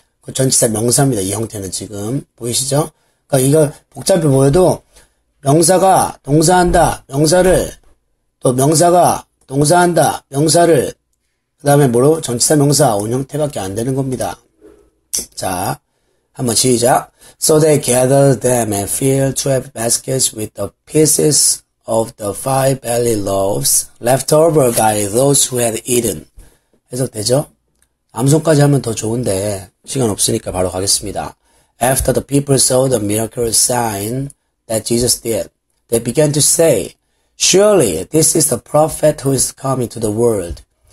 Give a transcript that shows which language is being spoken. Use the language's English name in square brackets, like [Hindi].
[Korean] 그 전치사 명사입니다. 이 형태는 지금 보이시죠? 그러니까 이거 복잡해 보여도 명사가 동사한다 명사를 또 명사가 동사한다 명사를 그 다음에 뭐로 전치사 명사 온 형태밖에 안 되는 겁니다. 자 한번 시작. [English] So they gathered them and filled 12 baskets with the pieces of the 5 barley loaves left over by those who had eaten. [Korean] 해석되죠? 암송까지 하면 더 좋은데 시간 없으니까 바로 가겠습니다. [English] After the people saw the miracle sign that Jesus did, they began to say, Surely this is the prophet who is coming to the world.